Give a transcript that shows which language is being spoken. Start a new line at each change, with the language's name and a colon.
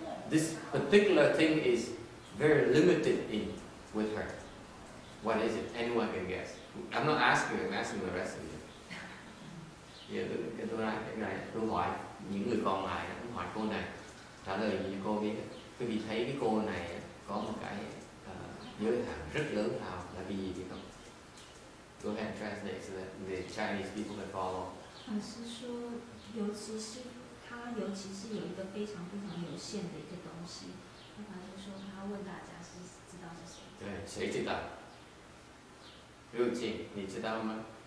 English: This particular thing is very limited in with her. What is it? Anyone can guess. I'm not asking you, I'm asking the rest of you.
Vietnamese: Yeah, tôi hỏi những người còn lại, tôi hỏi cô này, trả lời như cô biết. Quý vị thấy cái cô này có một cái giới hạn rất lớn nào, là vì gì không?
English: Go ahead and translate so that the Chinese people can follow.
Chinese: 老师说，尤其是有一个非常非常有限的一个东西。老师说，他问大家是知道是谁？对，谁知道？刘静，你知道吗？